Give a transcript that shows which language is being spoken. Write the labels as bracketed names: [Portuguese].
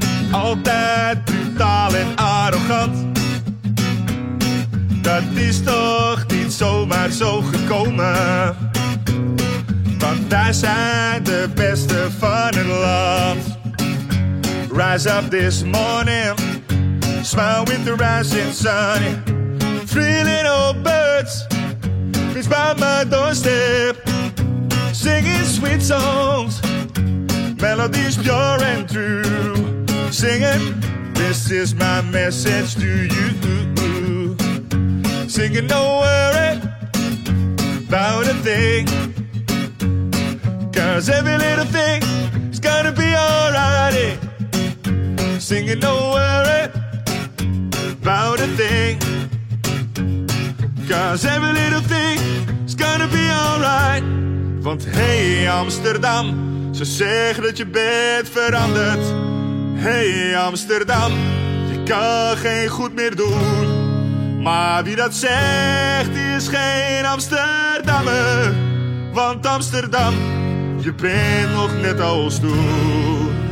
[Dutch] Altijd brutaal en arrogant. Dat is toch niet zomaar zo gekomen. Want wij zijn de beste van het land. [English] Rise up this morning, smile with the rising sun. Three little birds, please by my doorstep. Singing sweet songs, melodies pure and true. Singing, this is my message to you. Singing, no worry about a thing. Cause every little thing is gonna be alright. Singing, no worry about a thing. Cause every little thing is gonna be alright. [Dutch] Want hey Amsterdam, ze zeggen dat je bent veranderd. Hey Amsterdam, je kan geen goed meer doen. Maar wie dat zegt is geen Amsterdammer. Want Amsterdam, je bent nog net als toen.